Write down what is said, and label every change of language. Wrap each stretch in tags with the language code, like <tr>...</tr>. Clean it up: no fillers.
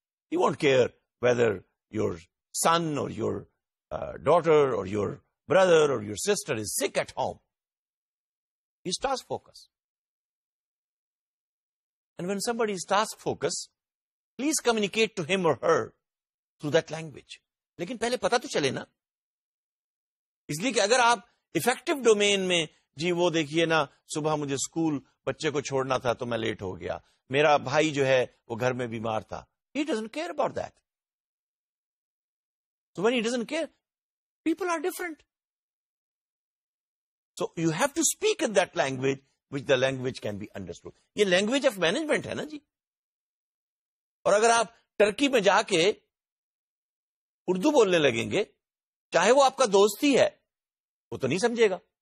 <en>He won't care whether your son or your daughter or your brother or your sister is sick at home. He's task focused. And when somebody is task focused, please communicate to him or her through that language.</en> <ur>Lekin pehle pata to chale na, اس لیے کہ اگر آپ effective domain میں جی وہ دیکھیے نا صبح مجھے اسکول بچے کو چھوڑنا تھا تو میں لیٹ ہو گیا, میرا بھائی جو ہے وہ گھر میں بیمار تھا,</ur> <en>He doesn't care about that. So when he doesn't care people are different. So you have to speak in that language which the language can be understood.</en> <ur>یہ لینگویج آف مینجمنٹ ہے نا جی. اور اگر آپ ٹرکی میں جا کے اردو بولنے لگیں گے, چاہے وہ آپ کا دوست ہی ہے, وہ تو نہیں سمجھے گا.</ur>